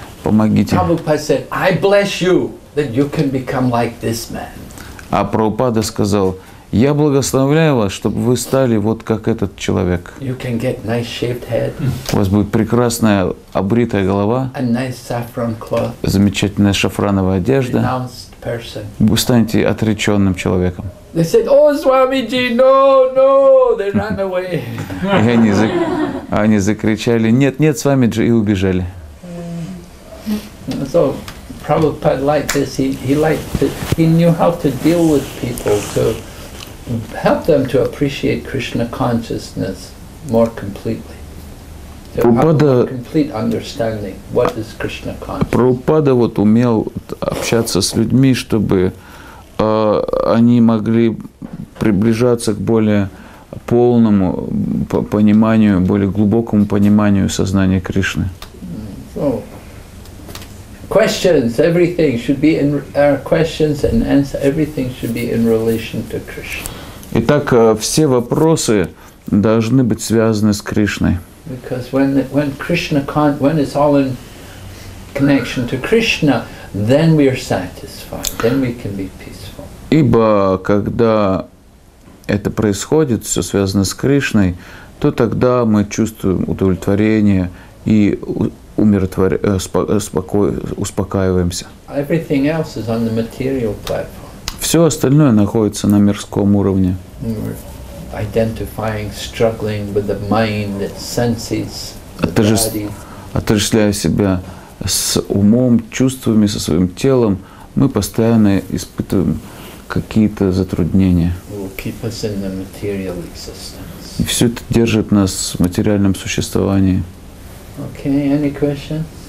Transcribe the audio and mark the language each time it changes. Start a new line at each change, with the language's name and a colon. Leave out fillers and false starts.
Russian: Помогите.
English: Prabhupada said, I bless you that you can become like this man.
Russian: А Прабхупада сказал, я благословляю вас, чтобы вы стали вот как этот человек.
English: You can get nice shaped head.
Russian: У вас будет прекрасная обритая голова.
English: A nice saffron cloth.
Russian: Замечательная шафрановая одежда.
English: Renounced person.
Russian: Вы станете отреченным человеком.
English: They said, oh, Swamiji, no, no, they ran away.
Russian: И они закричали, нет, нет, Свамиджи, и убежали.
English: So, Prabhupada liked this. He knew how to deal with people too. Help them to appreciate Krishna consciousness more completely. So Prabhupada, have a complete understanding what is Krishna consciousness.
Russian: Prabhupada вот умел общаться с людьми, чтобы они могли приближаться к более полному пониманию, более глубокому пониманию сознания Кришны.
English: Questions, everything should be in questions and answers. Everything should be in relation to Krishna.
Russian: Итак, все вопросы должны быть связаны с Кришной.
English: Because when Krishna when it's all in connection to Krishna, then we are satisfied. Then we can be peaceful.
Russian: Ибо когда это происходит, все связано с Кришной, то тогда мы чувствуем удовлетворение и успокаиваемся.
English: Everything else is on the material platform.
Russian: Все остальное находится на мирском уровне.
English: Identifying, struggling with the mind, senses, the body.
Russian: Отождествляя себя с умом, чувствами, со своим телом, мы постоянно испытываем какие-то затруднения.
English: Keep us in the material existence.
Russian: И все это держит нас в материальном существовании.
English: Okay, any questions?